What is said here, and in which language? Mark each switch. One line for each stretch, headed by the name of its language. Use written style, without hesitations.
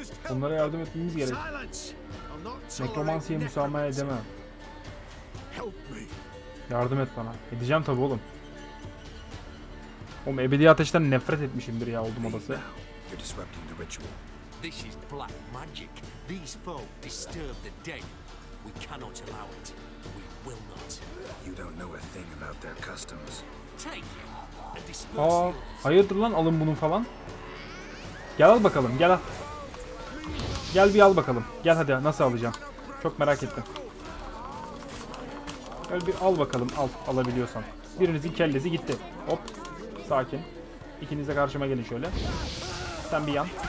Turkish: Onlara yardım etmemiz gerek. Nekromansiye müsamaha edemem. Yardım et bana. Edeceğim tabi oğlum. Oğlum ebedi ateşten nefret etmişimdir ya oldum odası.
English: This is black magic. These folk disturb the dead. We cannot allow it. We will not. You don't know a thing about their customs. Take him and disperse the others.
Turkish: Hayırdır lan, alın bunu falan. Gel al bakalım, gel al. Gel bir al bakalım. Gel hadi, nasıl alacağım? Çok merak ettim. Gel bir al bakalım, al alabiliyorsan. Birinizin kellesi gitti. Hop, sakin. İkiniz de karşıma gelin şöyle. Sen bir yan.